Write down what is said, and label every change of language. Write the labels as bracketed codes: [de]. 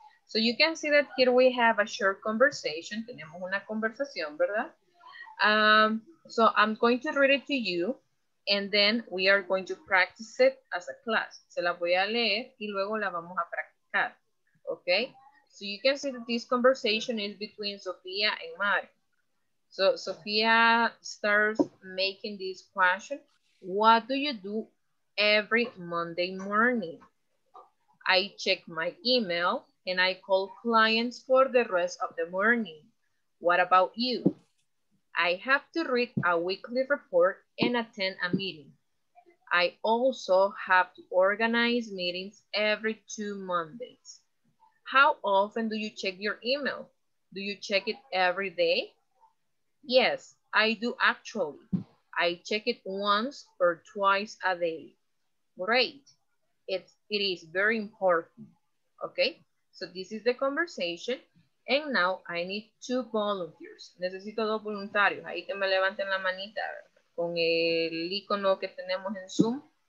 [en] So you can see that here we have a short conversation. [es] Tenemos una conversación, ¿verdad? [en] So I'm going to read it to you, and then we are going to practice it as a class. [es] Se la voy a leer y luego la vamos a practicar. [en] Okay? So you can see that this conversation is between Sofía and Mari. So Sofía starts making this question. What do you do every Monday morning? I check my email and I call clients for the rest of the morning. What about you? I have to read a weekly report and attend a meeting. I also have to organize meetings every two Mondays. How often do you check your email? Do you check it every day? Yes, I do actually. I check it once or twice a day. Great. It is very important. Okay, so this is the conversation. And now I need two volunteers. [es] Necesito dos voluntarios. Ahí que me levanten la manita con el icono que tenemos en Zoom.